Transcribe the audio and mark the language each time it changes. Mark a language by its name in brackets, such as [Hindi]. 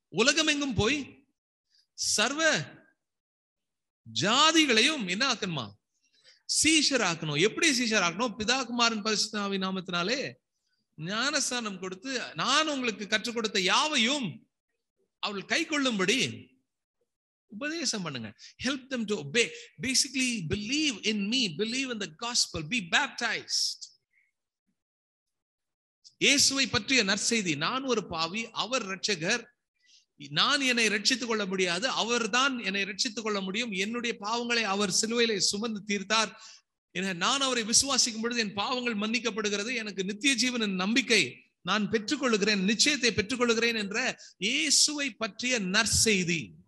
[Tamil] உலகமெங்கும் போய் சர்வ ஜாதிகளையும் என்ன ஆக்கணுமா? சீஷராக்கணும். எப்படி சீஷராக்கணும்? பிதாகுமாரன் பரிசுத்த நாமத்தினாலே ஞானஸ்தானம் கொடுத்து நான் உங்களுக்கு கற்றுக் கொடுத்த யாவையும் அவர்கள் கை கொள்ளும்படி உபதேசம் பண்ணுங்க. [English] Help them to obey. Basically, believe in me, believe in the gospel, be baptized. [Tamil] இயேசுவை பற்றிய நற்செய்தி, நான் ஒரு பாவி, அவர் இரட்சகர், நான் என்னை இரட்சித்துக் கொள்ள முடியாது, அவர் தான் என்னை இரட்சித்துக் கொள்ள முடியும், என்னுடைய பாவங்களை அவர் சிலுவையில் சுமந்து தீர்த்தார், நான் அவரை விசுவாசிக்கும் பொழுது என் பாவங்கள் மன்னிக்கப்படுகிறது, எனக்கு நித்திய ஜீவன நம்பிக்கை நான் பெற்றுக் கொள்ளுகிறேன், நிச்சயத்தை பெற்றுக் கொள்ளுகிறேன் என்ற இயேசுவை பற்றிய நற்செய்தி,